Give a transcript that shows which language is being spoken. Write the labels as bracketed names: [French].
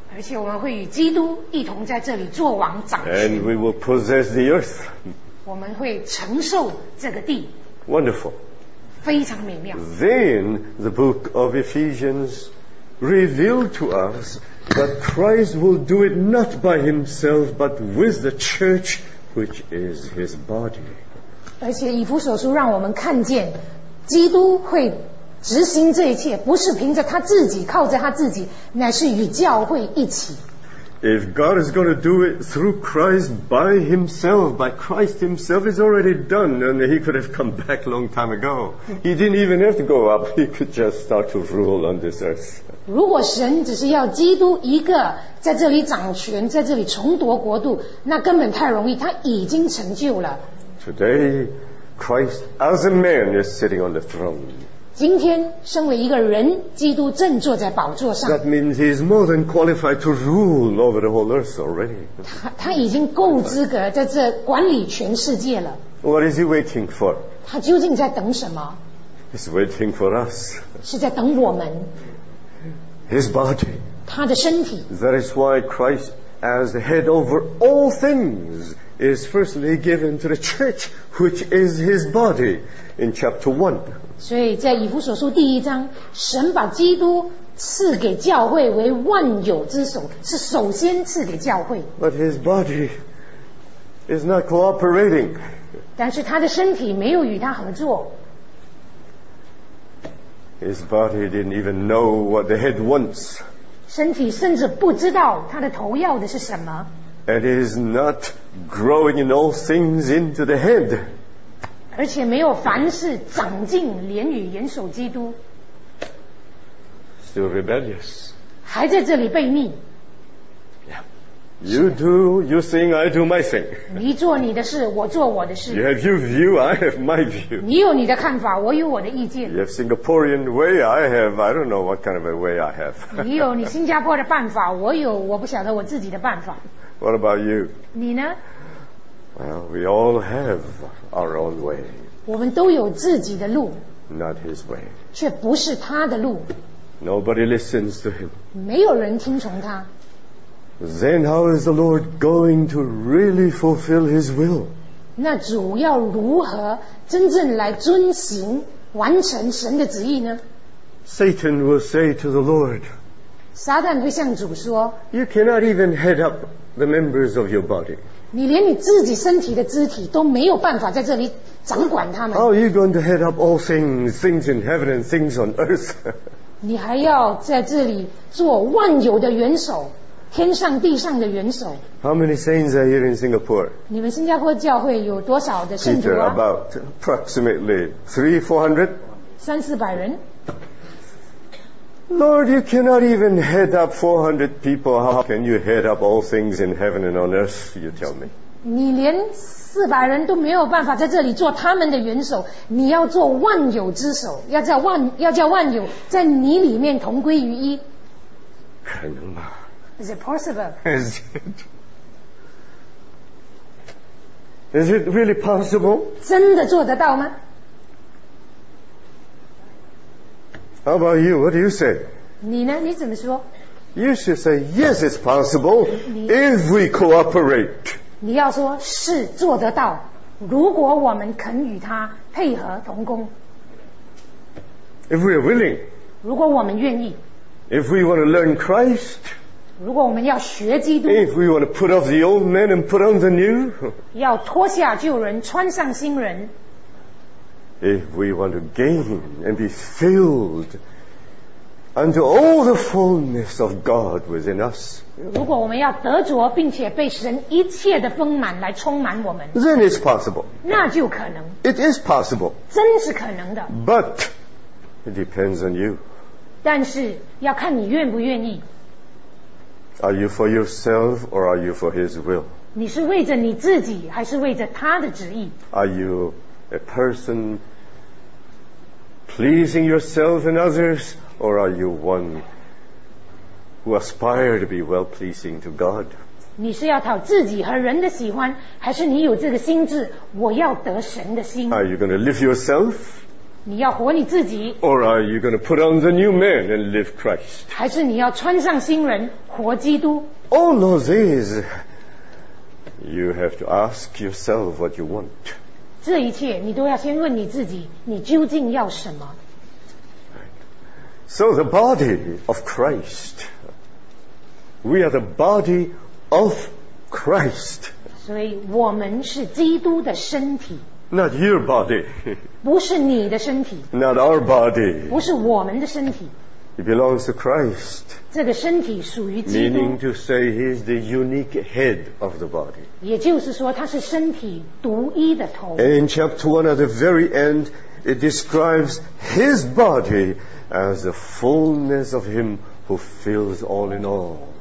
[Chinese] 而且我们会与基督一同在这里做王掌权。 [English] And we will possess the earth. [Chinese] 我们会承受这个地。 [English] Wonderful. [Chinese] 非常美妙。 [English] Then the book of Ephesians revealed to us that Christ will do it not by himself, but with the church, which is his body. [Chinese] 而且以弗所书让我们看见基督会执行这一切，不是凭着他自己，靠着他自己，乃是与教会一起。 [English] If God is going to do it through Christ by himself, by Christ himself, it's already done, and he could have come back long time ago. He didn't even have to go up, he could just start to rule on this earth. [Chinese] 如果神只是要基督一个在这里掌权，在这里重夺国度，那根本太容易，他已经成就了。 [English] Today,Christ as a man is sitting on the throne. [Chinese] 今天身为一个人，基督正坐在宝座上。 [English] That means he is more than qualified to rule over the whole earth already. [Chinese] 他已经够资格在这管理全世界了。 [English] What is he waiting for? [Chinese] 他究竟在等什么？ [English] He's waiting for us. [Chinese] 是在等我们。 [English] His body. [Chinese] 他的身体。 [English] That is why Christ as the head over all things. Is firstly given to the church, which is his body, in chapter 1. [Chinese] 所以在以弗所书第一章，神把基督赐给教会为万有之首，是首先赐给教会。 [English] But his body is not cooperating. [Chinese] 但是他的身体没有与他合作。 [English] His body didn't even know what the head wants. [Chinese] 身体甚至不知道他的头要的是什么。 [English] And is not growing in all things into the head. [Chinese] 而且没有凡事长进，连与元首基督。 [English] Still rebellious. [Chinese] 还在这里悖逆。 [English] Yeah. You do your thing, I do my thing. [Chinese] 你做你的事，我做我的事。 [English] You have your view, I have my view. [Chinese] 你有你的看法，我有我的意见。 [English] You have Singaporean way, I have, I don't know what kind of a way I have. [Chinese] 你有你新加坡的办法，我有我不晓得我自己的办法。 [English] What about you? [Chinese] 你呢？ [English] Well, we all have our own way. [Chinese] 我们都有自己的路。 [English] Not his way. [Chinese] 却不是他的路。 [English] Nobody listens to him. [Chinese] 没有人听从他。 [English] Then how is the Lord going to really fulfill his will? [Chinese] 那主要如何真正来遵行完成神的旨意呢？ [English] Satan will say to the Lord, [Chinese] 撒旦会向主说， [English] You cannot even head up the members of your body. [Chinese] 你连你自己身体的肢体都没有办法在这里掌管他们。 [English] How are you going to head up all things, things in heaven and things on earth? [Chinese] 你还要在这里做万有的元首，天上地上的元首。 [English] How many saints are here in Singapore? [Chinese] 你们新加坡教会有多少的圣徒啊？ [English] Peter, about approximately 300-400. [Chinese] 三四百人。 [English] Lord, you cannot even head up 400 people. How can you head up all things in heaven and on earth? You tell me. [Chinese] 你连四百人都没有办法在这里做他们的元首，你要做万有之首，要叫万有在你里面同归于一。可能吗？ [English] Is it possible? Is it really possible? [Chinese] 真的做得到吗？ [English] How about you? What do you say? [Chinese] 你呢？你怎么说？ [English] You should say, yes, it's possible if we cooperate. [Chinese] 你要说是做得到，如果我们肯与他配合同工。 [English] If we are willing. [Chinese] 如果我们愿意。 [English] If we want to learn Christ. [Chinese] 如果我们要学基督。 [English] If we want to put off the old man and put on the new. [Chinese] 要脱下旧人，穿上新人。 [English] If we want to gain and be filled unto all the fullness of God within us, [Chinese] 如果我们要得着并且被神一切的丰满来充满我们， [English] then it's possible. [Chinese] 那就可能。 [English] It is possible. [Chinese] 真是可能的。 [English] But it depends on you. [Chinese] 但是要看你愿不愿意。 [English] Are you for yourself or are you for His will? [Chinese] 你是为着你自己还是为着他的旨意？ [English] Are youA person pleasing yourself and others, or are you one who aspire to be well pleasing to God? [Chinese] 你是要讨自己和人的喜欢，还是你有这个心智，我要得神的心？ [English] Are you going to live yourself? [Chinese] 你要活你自己？ [English] Or are you going to put on the new man and live Christ? [Chinese] 还是你要穿上新人，活基督？ [English] All of these, you have to ask yourself what you want. [Chinese] 这一切你都要先问你自己，你究竟要什么？ [English] So the body of Christ, we are the body of Christ. [Chinese] 所以我们是基督的身体。 [English] Not your body. [Chinese] 不是你的身体。 [English] Not our body. [Chinese] 不是我们的身体。 [English] It belongs to Christ. [Chinese] 这个身体属于基督。 [English] Meaning to say he is the unique head of the body. [Chinese] 也就是说，他是身体独一的头。 [English] In chapter 1 at the very end, it describes his body as the fullness of him who fills all in all.